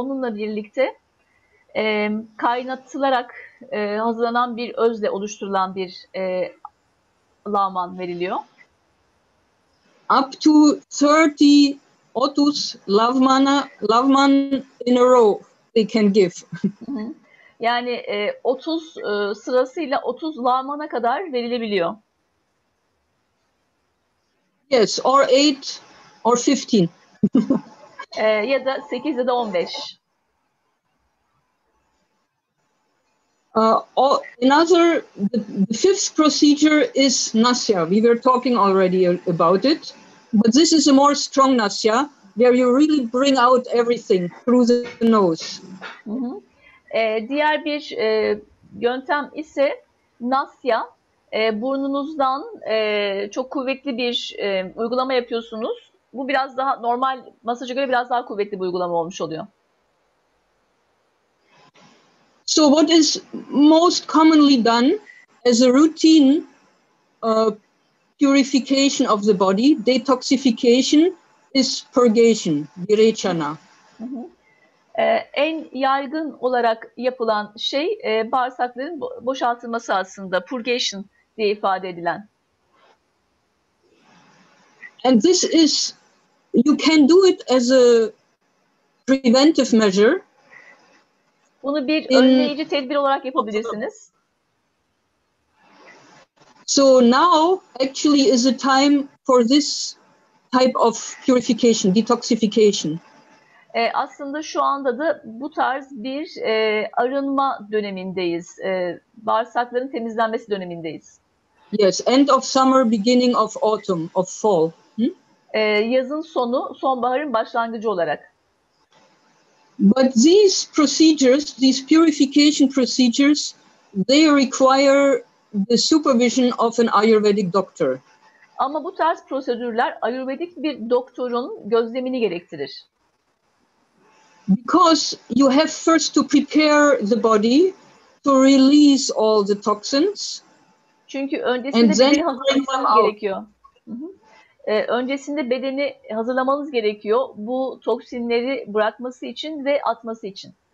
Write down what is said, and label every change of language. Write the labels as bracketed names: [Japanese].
[Turkish] Onunla birlikte kaynatılarak hazırlanan bir özle oluşturulan bir lavman veriliyor. [English] Up to 30 [Turkish] otuz lavman [English] in a row they can give. [Turkish] Yani 30 sırasıyla 30 lavmana kadar verilebiliyor. [English] Yes, or 8 or 15. [Turkish] ya da 8 ya da 15. [English] Another, the fifth procedure is nasya. We were talking already about it. But this is a more strong nasya, where you really bring out everything through the nose. [Turkish] Diğer bir yöntem ise nasya. Burnunuzdan çok kuvvetli bir uygulama yapıyorsunuz. Bu biraz daha normal masaja göre biraz daha kuvvetli bir uygulama olmuş oluyor. [English] So what is most commonly done as a routine purification of the body, detoxification, is purgation, virechana. [Turkish] En yaygın olarak yapılan şey bağırsakların boşaltılması aslında, purgation diye ifade edilen. [English] And this is, you can do it as a preventive measure. [Turkish] Bunu bir önleyici tedbir olarak yapabilirsiniz. [English] So now actually is the time for this type of purification, detoxification. [Turkish] Aslında şu anda da bu tarz bir arınma dönemindeyiz. Bağırsakların temizlenmesi dönemindeyiz. [English] Yes, end of summer, beginning of autumn, of fall. [Turkish] Yazın sonu, sonbaharın başlangıcı olarak. [English] But these procedures, these purification procedures, they require the supervision of an Ayurvedic doctor. [Turkish] Ama bu tarz prosedürler Ayurvedik bir doktorun gözlemini gerektirir. [English] Because you have first to prepare the body to release all the toxins. [Turkish] Çünkü öncesinde bedeni hazırlamanız gerekiyor. Öncesinde bedeni hazırlamanız gerekiyor bu toksinleri bırakması için ve atması için.